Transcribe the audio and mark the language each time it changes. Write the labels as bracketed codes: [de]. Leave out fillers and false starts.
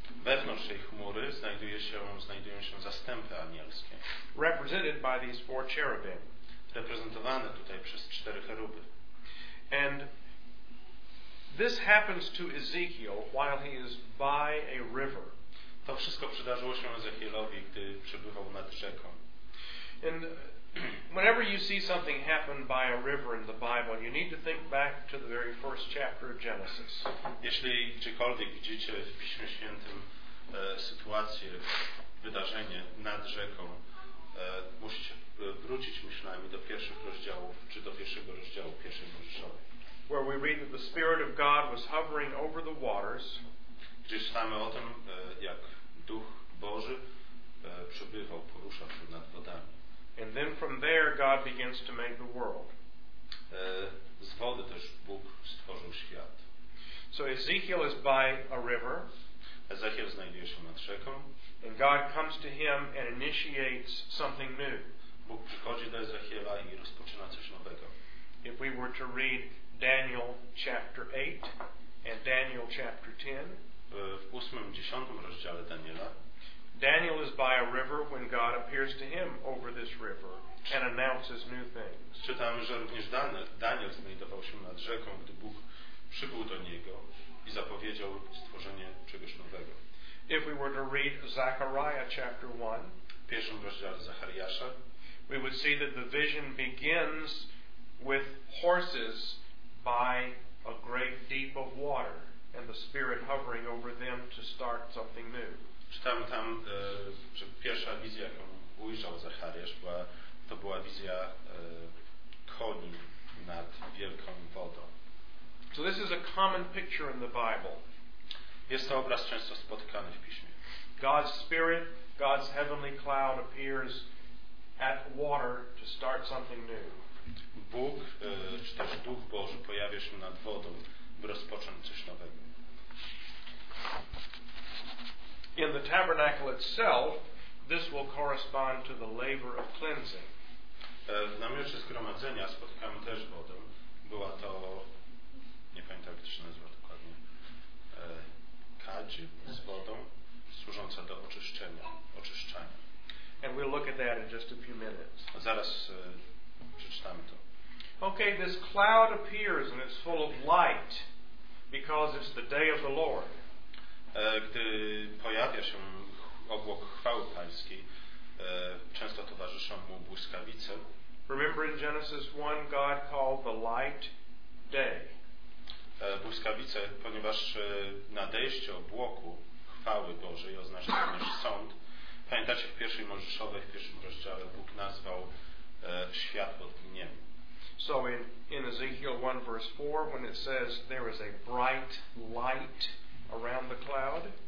[pl] Wewnątrz tej chmury znajdują się zastępy anielskie. [en] Represented by these four cherubim. [pl] Reprezentowane tutaj przez cztery cheruby. [en] And this happens to Ezekiel while he is by a river. [pl] To wszystko przydarzyło się Ezechielowi, gdy przebywał nad rzeką. [en] And whenever you see something happen by a river in the Bible, you need to think back to the very first chapter of Genesis. [pl] Jeśli gdziekolwiek widzicie w Piśmie Świętym sytuację, wydarzenie nad rzeką, musicie wrócić myślami do pierwszych rozdziałów, czy do pierwszego rozdziału pierwszej Mojżeszowej. [en] Where we read that the Spirit of God was hovering over the waters. [pl] Gdzie czytamy o tym, jak Duch Boży przebywał, poruszał się nad wodami. [en] And then from there God begins to make the world. [pl] Z wody też Bóg stworzył świat. [en] So Ezekiel is by a river. [pl] Ezechiel znajduje się nad rzeką. [en] And God comes to him and initiates something new. [pl] Bóg przychodzi do Ezechiela i rozpoczyna coś nowego. [en] If we were to read Daniel chapter 8 and Daniel chapter 10, [pl] w 8, 10 rozdziale Daniela, [en] Daniel is by a river when God appears to him over this river and announces new things. [pl] Czytamy, że również Daniel znajdował się nad rzeką, gdy Bóg przybył do niego i zapowiedział stworzenie czegoś nowego. [en] If we were to read Zechariah chapter 1, [pl] w pierwszym rozdziale Zachariasza, [en] we would see that the vision begins with horses by a great deep of water and the Spirit hovering over them to start something new. [pl] Czytamy tam, że pierwsza wizja, jaką ujrzał Zachariasz, to była wizja koni nad wielką wodą. [en] So this is a common picture in the Bible. [pl] Jest to obraz często spotykany w Piśmie. [en] God's Spirit, God's heavenly cloud appears at water to start something new. [pl] Bóg, czy też Duch Boży pojawia się nad wodą, by rozpocząć coś nowego. [en] In the tabernacle itself, this will correspond to the laver of cleansing. [pl] W namiocie zgromadzenia spotykamy też wodę. Była to, nie pamiętam jak to się nazywa dokładnie, kadź z wodą, służąca do oczyszczania. [en] And we'll look at that in just a few minutes. [pl] Zaraz przeczytamy to. [en] Okay, this cloud appears and it's full of light because it's the day of the Lord. [pl] Gdy pojawia się obłok chwały Pańskiej, często towarzyszą mu błyskawice. [en] Remember in Genesis 1 God called the light day. [pl] Błyskawice, ponieważ nadejście obłoku chwały Bożej oznacza również sąd. Pamiętacie w pierwszej Mojżeszowej, w pierwszym rozdziale Bóg nazwał światło dniem. [en] So in Ezekiel 1 verse 4 when it says there is a bright light around the cloud.